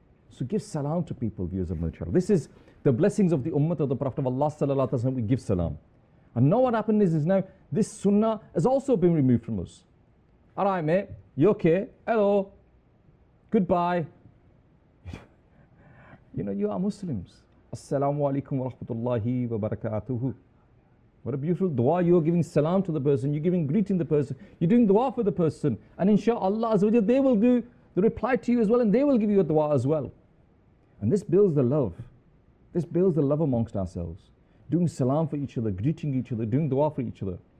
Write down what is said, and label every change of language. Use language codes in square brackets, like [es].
[en] So give salam to people, viewers of Manichar. This is the blessings of the Ummah of the Prophet of Allah Sallallahu Alaihi Wasallam. We give salam. And now what happened is now this sunnah has also been removed from us. All right, mate, you okay? Hello, goodbye. You know, you are Muslims. [ar] Assalamu alaikum wa rahmatullahi wa barakatuhu. [en] What a beautiful dua. You're giving salam to the person, you're giving greeting to the person, you're doing dua for the person. And inshallah, they will do the reply to you as well, and they will give you a dua as well. And this builds the love. This builds the love amongst ourselves. Doing salam for each other, greeting each other, doing dua for each other.